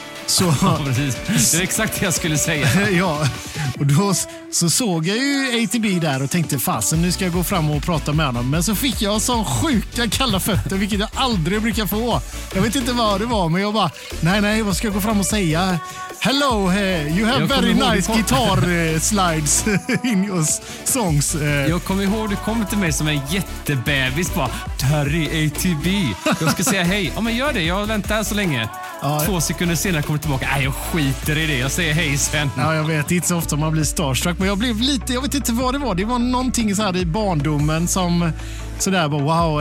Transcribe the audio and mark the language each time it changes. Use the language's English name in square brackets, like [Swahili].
[Swedish] Så, precis. Det är exakt det jag skulle säga. Ja, och då så såg jag ju ATB där och tänkte fasen, nu ska jag gå fram och prata med honom. Men så fick jag sån sjuka kalla fötter, vilket jag aldrig brukar få. Jag vet inte vad det var, men jag bara, nej, vad ska jag gå fram och säga? [English] Hello, you have very nice guitar slides in your songs. [Swedish] Jag kommer ihåg, du kom till mig som en jättebävis, bara, Terry ATB. Jag ska säga hej. Ja, men gör det, jag väntar så länge. Ja. 2 sekunder senare kommer tillbaka. Nej, jag skiter i det. Jag säger hej sen. Ja, jag vet. Det är inte så ofta man blir starstruck. Men jag blev lite, jag vet inte vad det var. Det var någonting så här i barndomen som så där bara wow.